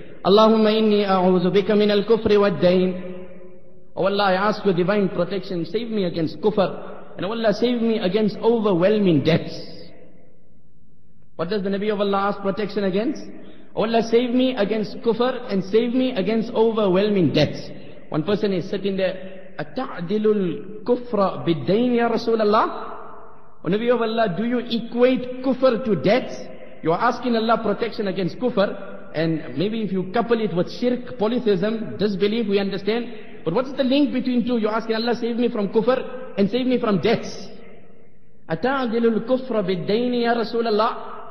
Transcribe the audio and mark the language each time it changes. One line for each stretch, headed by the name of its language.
Arabic: Allahumma inni a'udhu bika min al-kufri wa al-dain.
English: Oh Allah, I ask your divine protection, save me against kufr, and oh Allah, save me against overwhelming debts. What does the Nabi of Allah ask protection against? Oh Allah, save me against kufr and save me against overwhelming debts. One person is sitting there,
Arabic: أَتَعْدِلُ الْكُفْرَ بِالدَّيْنِ يَا رَسُولَ اللَّهِ.
English: Oh Nabi of Allah, do you equate kufr to debts? You are asking Allah protection against kufr, and maybe if you couple it with shirk, polytheism, disbelief, we understand. But what's the link between two? You're asking Allah, save me from kufr and save me from debts.
Arabic: أَتَعْدِلُ الْكُفْرَ بِالدَّيْنِ يَا رَسُولَ اللَّهِ.